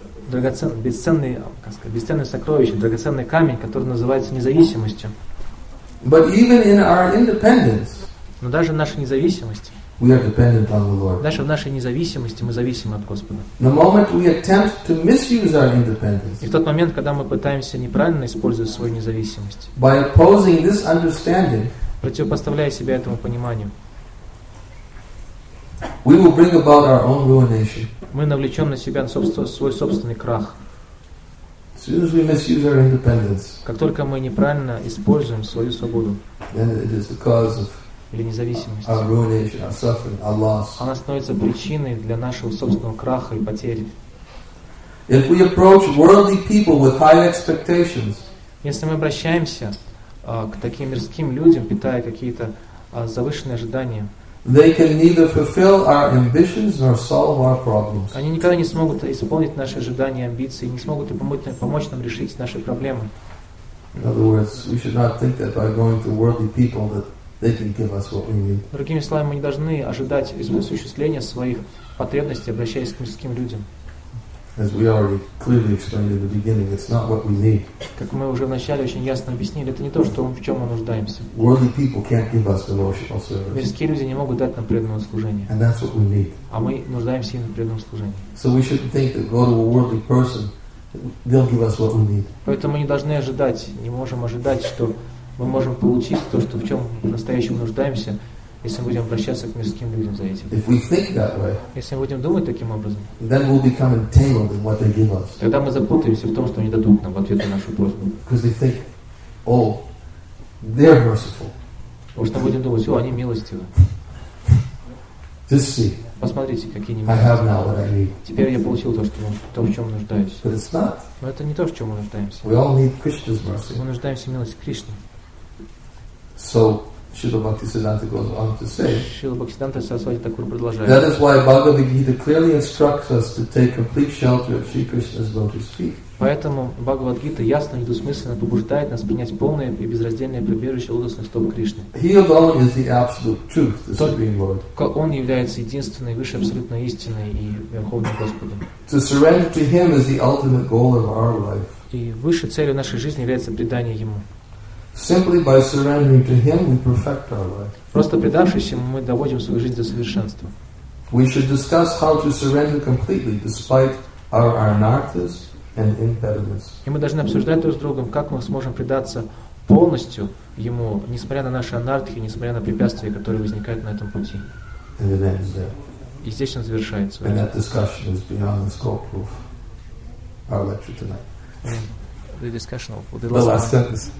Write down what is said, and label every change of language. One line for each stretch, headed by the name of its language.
Russian: У нас есть драгоценное сокровище, драгоценный камень, который называется независимостью.
English: But even in our independence,
Russian: но даже в нашей независимости,
English: we are dependent on the Lord.
Russian: Даже в нашей независимости мы зависим от Господа.
English: The moment we attempt to misuse our independence,
Russian: и в тот момент, когда мы пытаемся неправильно использовать свою независимость,
English: by opposing this understanding,
Russian: противопоставляя себя этому пониманию,
English: we will bring about our own ruination.
Russian: Мы навлечем на себя свой собственный крах.
English: As soon as we misuse our independence,
Russian: как только мы неправильно используем свою свободу,
English: then it is the cause of
Russian: или независимость,
English: our ruination, our suffering, our loss.
Russian: Она становится причиной для нашего собственного краха и потери.
English: If we approach worldly people with high expectations,
Russian: если мы обращаемся к таким мирским людям, питая какие-то завышенные ожидания,
English: they can neither fulfill our ambitions nor solve our problems.
Russian: Они никогда не смогут исполнить наши ожидания, амбиции, не смогут помочь нам решить наши проблемы.
English: In other words, we should not think that by going to worldly people that they can give us what we need.
Russian: Другими словами, мы не должны ожидать осуществления своих потребностей, обращаясь к мирским людям.
English: As we already clearly explained in the beginning, it's not what we need.
Russian: Как мы уже вначале очень ясно объяснили, это не то, что в чем мы нуждаемся.
English: Worldly people can't give us devotional service.
Russian: Мирские люди не могут дать нам преданного служения.
English: And that's what we need.
Russian: А мы нуждаемся именно в преданном служении.
English: So we shouldn't think that go to a worldly person, they'll give us what we need.
Russian: Поэтому не должны ожидать, не можем ожидать, что мы можем получить то, что в чем настоящему нуждаемся, если мы будем обращаться к мирским людям за этим.
English: If we think that way,
Russian: если мы будем думать таким образом,
English: then we'll become entangled in what they give us.
Russian: Тогда мы запутаемся в том, что они дадут нам в ответ на нашу просьбу.
English: Because they think, oh, they're merciful.
Russian: Потому что мы будем думать, о, они милостивы.
English: Just see.
Russian: Посмотрите, какие они милостивы.
English: I have now what I need.
Russian: Теперь я получил то, в чем нуждаюсь.
English: But it's not.
Russian: Но это не то, в чем мы нуждаемся.
English: We all need Krishna's mercy.
Russian: Мы нуждаемся в милости Кришны.
English: So,
Russian: Шрила Бхактисиддханта Госа Вами
English: to say.
Russian: Шрила Бхактисиддханта Сарасвати Такур продолжает.
English: That is why Bhagavad Gita clearly instructs us to take complete shelter of Sri Krishna's lotus feet.
Russian: Поэтому Бхагавад Гита ясно и недвусмысленно побуждает нас принять полное и безраздельное прибежище лотосных стоп Кришны.
English: He alone is the absolute truth, the Supreme Lord.
Russian: Он является единственной высшей абсолютной истиной и верховным Господом.
English: To surrender to Him is the ultimate goal of our life.
Russian: И высшей целью нашей жизни является предание Ему.
English: Simply by surrendering to Him, we perfect our life.
Russian: Просто предавшись Ему, мы доводим свою жизнь до совершенства.
English: We should discuss how to surrender completely, despite our anarthas and impediments.
Russian: И мы должны обсуждать друг с другом, как мы сможем предаться полностью Ему, несмотря на наши анартхи, несмотря на препятствия, которые возникают на этом пути.
English: And it ends there.
Russian: И здесь он завершается.
English: And that discussion is beyond the scope of our lecture tonight. The discussion of the last sentence.